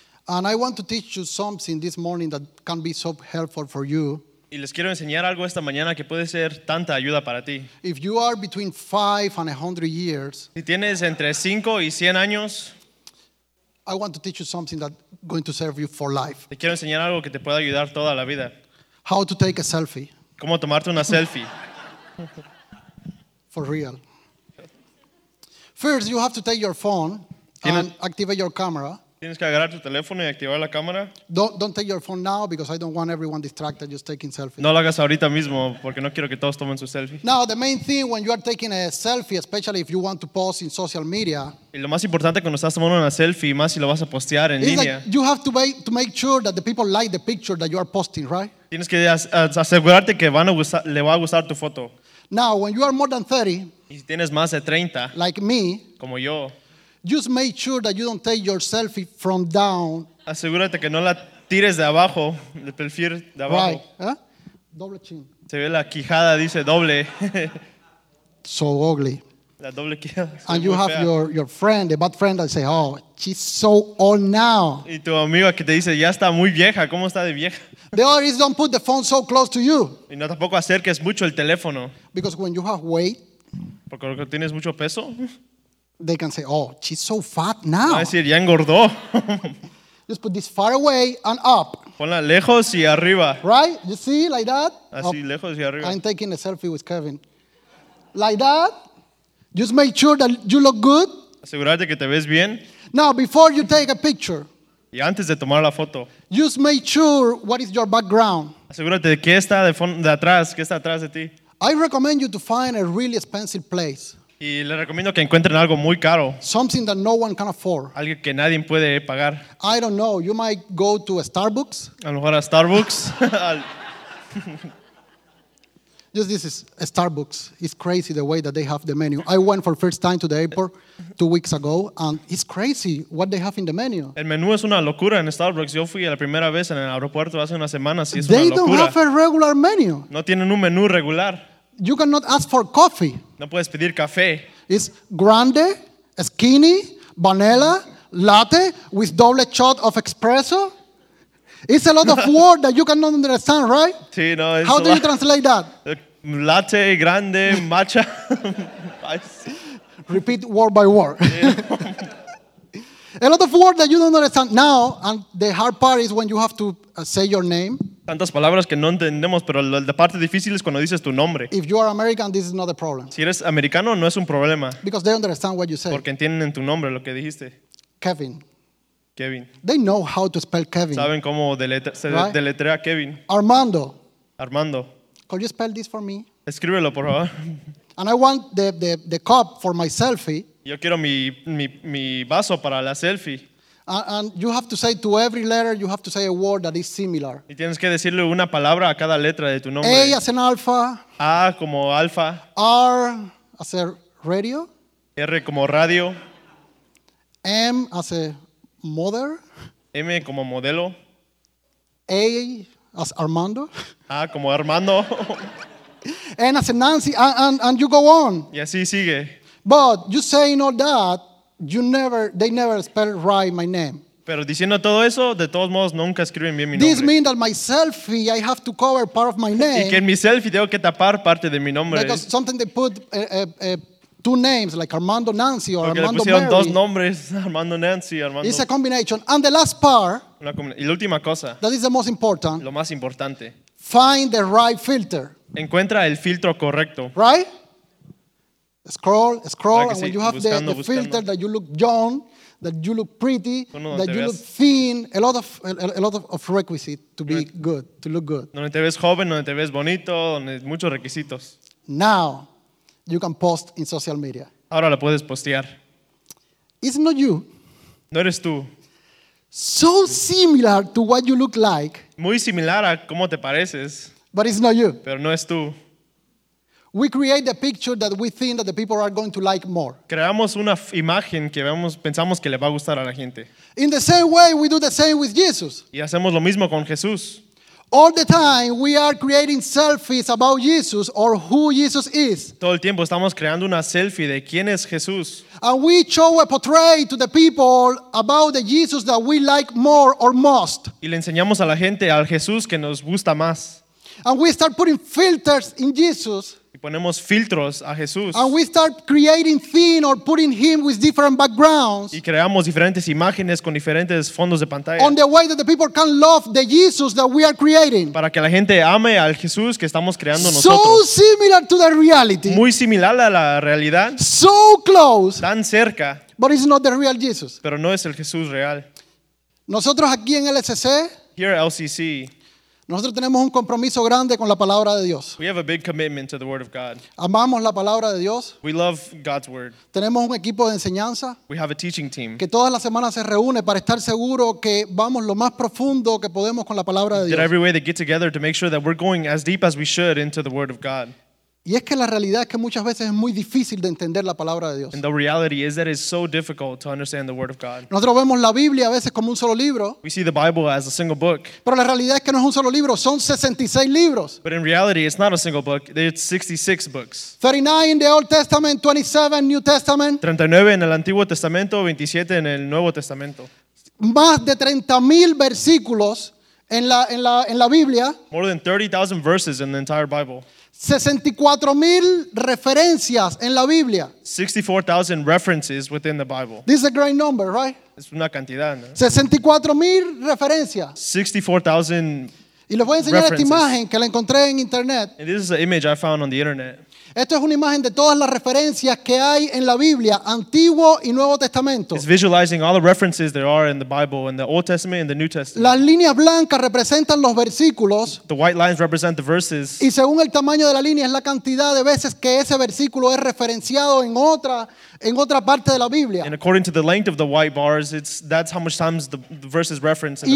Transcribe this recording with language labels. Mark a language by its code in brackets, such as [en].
[en] And I want to teach you something this morning that can be so helpful for you. [es] Y les quiero enseñar algo esta mañana que puede ser tanta ayuda para ti. [en] If you are between 5 and 100 years, [es] si tienes entre 5 y 100 años, [en] I want to teach you something that's going to serve you for life. [es] Te quiero enseñar algo que te pueda ayudar toda la vida. [en] How to take a selfie. [es] ¿Cómo tomarte una selfie? [en] For real. First, you have to take your phone and activate your camera. [es] Tienes que agarrar tu teléfono y activar la cámara. [en] Don't take your phone now because I don't want everyone distracted just taking selfies. [es] No lo hagas ahorita mismo porque no quiero que todos tomen su selfie. [en] Now, the main thing when you are taking a selfie, especially if you want to post in social media, [es] y lo más importante cuando estás tomando una selfie, más si lo vas a postear en línea, [en] like you have to make sure that the people like the picture that you are posting, right? [es] Tienes que asegurarte que le va a gustar tu foto. [en] Now, when you are more than 30, [es] y si tienes más de 30, [en] like me, [es] como yo, [en] just make sure that you don't take your selfie from down. [es] Asegúrate que no la tires de abajo, de perfil de abajo. [en] Right. Huh? Doble chin. [es] Se ve la quijada, dice doble. [en] So ugly. [es] La doble quijada. [en] And you have your friend, the bad friend, that say, oh, she's so old now. [es] Y tu amiga que te dice, ya está muy vieja, ¿cómo está de vieja? [en] The other is don't put the phone so close to you. [es] Y no tampoco acerques mucho el teléfono. [en] Because when you have weight. [es] Porque cuando tienes mucho peso. [en] They can say, oh, she's so fat now. [es] Va a decir, ya engordó. [en] Just put this far away and up. [es] Ponla lejos y arriba. [en] Right? You see, like that? [es] Así, lejos y arriba. [en] I'm taking a selfie with Kevin. Like that? Just make sure that you look good. [es] Asegúrate que te ves bien. [en] Now, before you take a picture. [es] Y antes de tomar la foto. [en] Just make sure what is your background. [es] Asegúrate de qué está de atrás, qué está atrás de ti. [en] I recommend you to find a really expensive place. [es] Y le recomiendo que encuentren algo muy caro. [en] Something that no one can afford. [es] Algo que nadie puede pagar. [en] I don't know. You might go to a Starbucks. [es] A lo mejor a Starbucks. [en] Just this is a Starbucks. It's crazy the way that they have the menu. I went for first time to the airport 2 weeks ago, and it's crazy what they have in the menu. [es] El menú es una locura en Starbucks. Yo fui la primera vez en el aeropuerto hace unas semanas y es [en] they [es] una locura. [en] They don't have a regular menu. [es] No tienen un menú regular. [en] You cannot ask for coffee. [es] No puedes pedir café. [en] It's grande, skinny, vanilla, latte with double shot of espresso. It's a lot of words that you cannot understand, right? [es] Sí, no, it's [en] how do you translate that? Latte, grande, matcha. Repeat word by word. Yeah. A lot of words that you don't understand now, and the hard part is when you have to say your name. [es] Tantas palabras que no entendemos, pero la parte difícil es cuando dices tu nombre. [en] If you are American, this is not a problem. [es] Si eres americano, no es un problema. [en] Because they understand what you say. [es] Porque entienden en tu nombre lo que dijiste. [en] Kevin. [es] Kevin. [en] They know how to spell Kevin. [es] Saben cómo deletrea Kevin. [en] Armando. [es] Armando. [en] Could you spell this for me? [es] Escríbelo, por favor. [en] And I want the cup for my selfie. [es] Yo quiero mi vaso para la selfie. [en] And you have to say to every letter, you have to say a word that is similar. [es] Y tienes que decirle una palabra a cada letra de tu nombre. [en] A as an alpha. [es] A como alfa. [en] R as a radio. [es] R como radio. [en] M as a mother. [es] M como modelo. [en] A as Armando. [es] A como Armando. [en] N as a Nancy, and you go on. [es] Y así sigue. [en] But you saying all that, they never spell right my name. [es] Pero diciendo todo eso, de todos modos nunca escriben bien mi nombre. [en] This means that my selfie, I have to cover part of my name. [es] Y que en mi selfie tengo que tapar parte de mi nombre. [en] Because sometimes they put two names like Armando Nancy or [es] Porque Armando le pusieron Mary. Dos nombres, Armando Nancy, Armando. [en] It's a combination. And the last part. [es] Y la última cosa. [en] That is the most important. [es] Lo más importante. [en] Find the right filter. [es] Encuentra el filtro correcto. [en] Right? Scroll, and when you have the filter that you look young, that you look pretty, that you look thin, a lot of requisites to be good, to look good. [es] Donde te ves joven, donde te ves bonito, donde muchos requisitos. [en] Now, you can post in social media. [es] Ahora lo puedes postear. [en] It's not you. [es] No eres tú. [en] So similar to what you look like. [es] Muy similar a cómo te pareces. [en] But it's not you. [es] Pero no es tú. [en] We create the picture that we think that the people are going to like more. [es] Creamos una imagen que pensamos que le va a gustar a la gente. [en] In the same way, we do the same with Jesus. [es] Y hacemos lo mismo con Jesús. [en] All the time we are creating selfies about Jesus or who Jesus is. [es] Todo el tiempo estamos creando una selfie de quién es Jesús. [en] And we show a portrait to the people about the Jesus that we like more or most. [es] Y le enseñamos a la gente al Jesús que nos gusta más. [en] And we start putting filters in Jesus. [es] Y ponemos filtros a Jesús. [en] And we start creating things or putting him with different backgrounds. [es] Y creamos diferentes imágenes con diferentes fondos de pantalla. [en] On the way that the people can love the Jesus that we are creating. [es] Para que la gente ame al Jesús que estamos creando nosotros. [en] So similar to the reality. [es] Muy similar a la realidad. [en] So close. [es] Tan cerca. [en] But it's not the real Jesus. [es] Pero no es el Jesús real. Nosotros aquí en LCC. [en] Here at LCC. [es] Nosotros tenemos un compromiso grande con la palabra de Dios. [en] We have a big commitment to the word of God. [es] Amamos la palabra de Dios. [en] We love God's word. [es] Tenemos un equipo de enseñanza. [en] We have a teaching team. [es] Que todas las semanas se reúne para estar seguro que vamos lo más profundo que podemos con la palabra de Dios. [en] That every way they get together to make sure that we're going as deep as we should into the word of God. [es] Y es que la realidad es que muchas veces es muy difícil de entender la palabra de Dios. [en] And the reality is that it's so difficult to understand the word of God. [es] Nosotros vemos la Biblia a veces como un solo libro. [en] We see the Bible as a single book. [es] Pero la realidad es que no es un solo libro, son 66 libros. [en] But in reality, it's not a single book, it's 66 books. 39 in the Old Testament, 27 New Testament. [es] 39 en el Antiguo Testamento, 27 en el Nuevo Testamento. Más de 30,000 versículos en la Biblia. [en] More than 30,000 verses in the entire Bible. [es] 64,000 referencias en la Biblia. [en] 64,000 references within the Bible. This is a great number, right? [es] Es una cantidad, ¿no? 64,000 referencias. [en] 64,000 [es] Y les voy a enseñar [en] references. [es] Esta imagen que la encontré en internet. [en] And this is an image I found on the internet. [es] Esto es una imagen de todas las referencias que hay en la Biblia, Antiguo y Nuevo Testamento. [en] It's visualizing all the references there are in the Bible, in the Old Testament and the New Testament. [es] Las líneas blancas representan los versículos. [en] The white lines represent the verses. [es] Y según el tamaño de la línea es la cantidad de veces que ese versículo es referenciado en otra parte de la Biblia. [en] And according to the length of the white bars, that's how much times the verse is referenced in